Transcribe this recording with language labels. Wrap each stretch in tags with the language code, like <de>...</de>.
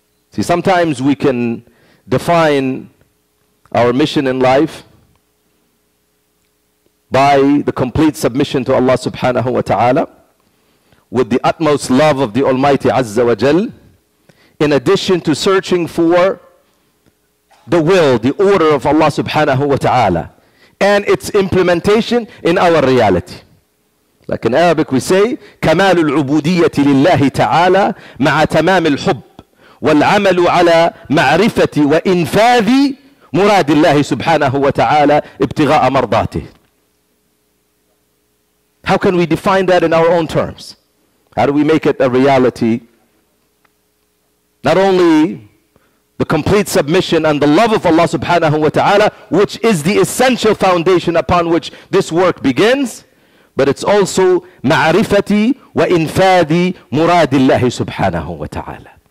<en>See, sometimes we can define our mission in life by the complete submission to Allah subhanahu wa ta'ala with the utmost love of the Almighty Azza wa Jal, in addition to searching for the will, the order of Allah subhanahu wa ta'ala and its implementation in our reality.</en> <ar>Like in Arabic we say, كَمَالُ الْعُبُودِيَّةِ لِلَّهِ تَعَالَى مَعَ تَمَامِ الْحُبِّ وَالْعَمَلُ عَلَى مَعْرِفَةِ وَإِنْفَاذِ مُرَادِ اللَّهِ سُبْحَانَهُ وَتَعَالَى ابْتِغَاءَ مَرْضَاتِهِ.</ar> <en>How can we define that in our own terms? How do we make it a reality? Not only the complete submission and the love of Allah subhanahu wa ta'ala, which is the essential foundation upon which this work begins, but it's also</en> <ar>ma'rifati wa infadi muradillahi</ar> <en>subhanahu wa ta'ala.</en>